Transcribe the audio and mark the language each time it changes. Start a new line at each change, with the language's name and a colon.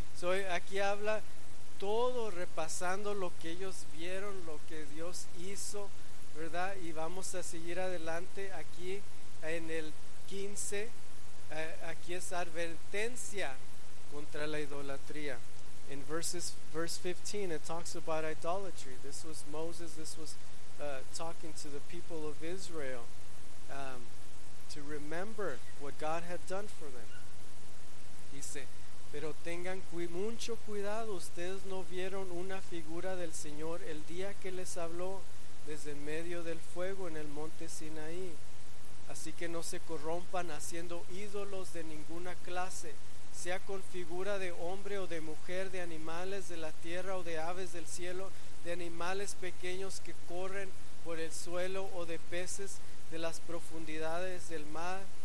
Spanish: So, aquí habla todo repasando lo que ellos vieron, lo que Dios hizo, ¿verdad? Y vamos a seguir adelante aquí en el 15. Aquí es advertencia contra la idolatría.
English: In verse 15, it talks about idolatry. This was Moses, this was talking to the people of Israel to remember what God had done for them.
Spanish: Dice, pero tengan mucho cuidado, ustedes no vieron una figura del Señor el día que les habló desde en medio del fuego en el monte Sinaí. Así que no se corrompan haciendo ídolos de ninguna clase, sea con figura de hombre o de mujer, de animales de la tierra o de aves del cielo, de animales pequeños que corren por el suelo o de peces de las profundidades del mar.